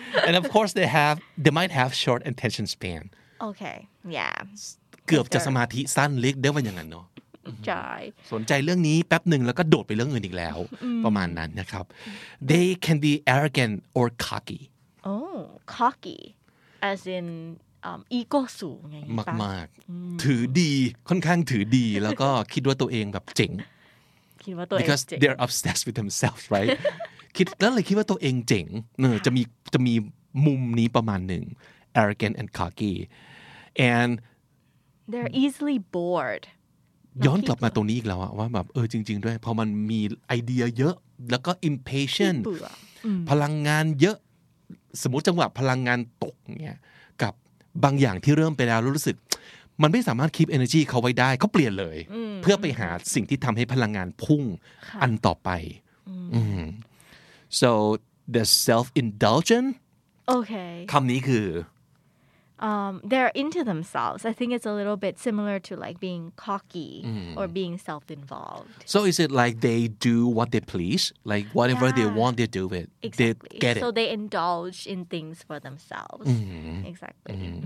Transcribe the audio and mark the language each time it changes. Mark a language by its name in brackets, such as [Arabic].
[English] And of course they might have short attention span. Okay. Yeah. [Thai] เกือบจะสมาธิสั้นเล็กได้ว่าอย่างนั้นเนาะ ใช่ สนใจเรื่องนี้แป๊บนึงแล้วก็โดดไปเรื่องอื่นอีกแล้วประมาณนั้นนะครับ They can be arrogant or cocky. [English] Oh, cocky as in [Thai] อีโก้สูงไง มากมากถือดีค่อนข้างถือดีแล้วก็คิดว่าตัวเองแบบเจ๋ง คิดว่าตัวเองเจ๋ง [English] because they're obsessed with themselves right [Thai] คิดแล้วเลยคิดว่าตัวเองเจ๋งเออจะมีมุมนี้ประมาณหนึ่ง arrogant and cocky and [English] they're easily bored [Thai] ย้อนกลับมาตรงนี้อีกแล้วอะว่าแบบเออจริงๆด้วยพอมันมีไอเดียเยอะแล้วก็ impatient พลังงานเยอะสมมติจังหวะพลังงานตกเนี่ยบางอย่างที่เริ่มไปแล้วรู้สึกมันไม่สามารถคีป energy เขาไว้ได้เขาเปลี่ยนเลยเพื่อไปหาสิ่งที่ทำให้พลังงานพุ่งอันต่อไป [English] so the self indulgent okay [Thai] คำนี้คือ [English] they're into themselves I think it's a little bit similar to like being cocky or being self involved so is it like they do what they please like whatever they want they do it exactly. they get it so they indulge in things for themselves exactly